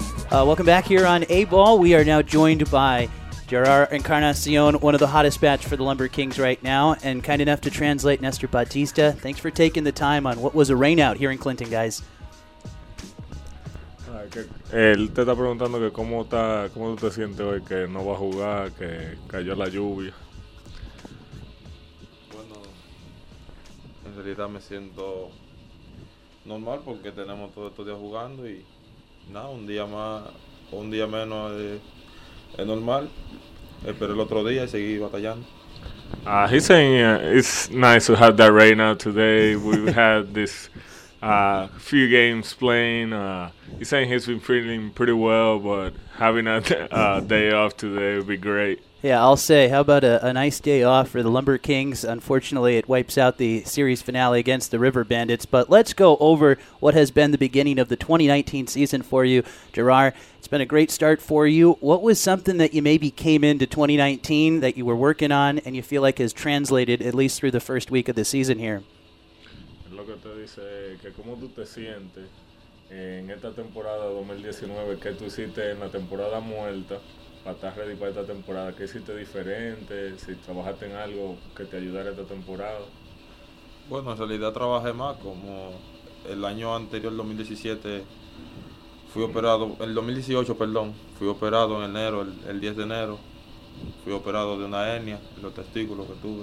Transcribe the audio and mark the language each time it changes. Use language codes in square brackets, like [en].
[en] Welcome back here on A-Ball. We are now joined by Gerard Encarnacion, one of the hottest bats for the Lumber Kings right now, and kind enough to translate Nestor Bautista. Thanks for taking the time on what was a rainout here in Clinton, guys. [es] Él te está preguntando que cómo está, cómo tú te sientes hoy, que no va a jugar, que cayó la lluvia. Bueno, en realidad me siento normal porque tenemos todos estos días jugando y nada, un día más o un día menos es normal. Espero el otro día y seguí batallando. [en] He's saying it's nice to have that rain out today. We've had this few games playing. He's saying he's been feeling pretty well, but having a day off today would be great. Yeah, I'll say, how about a nice day off for the Lumber Kings? Unfortunately, it wipes out the series finale against the River Bandits. But let's go over what has been the beginning of the 2019 season for you, Gerard. It's been a great start for you. What was something that you maybe came into 2019 that you were working on and you feel like has translated at least through the first week of the season here? [es] Lo que te dice, que cómo tú te sientes en esta temporada 2019, ¿qué tú hiciste en la temporada muerta para estar ready para esta temporada? ¿Qué hiciste diferente? ¿Si trabajaste en algo que te ayudara esta temporada? Bueno, en realidad trabajé más, como el año anterior, el 2017, fui operado, el 2018, perdón, fui operado en enero, el 10 de enero, fui operado de una hernia en los testículos que tuve.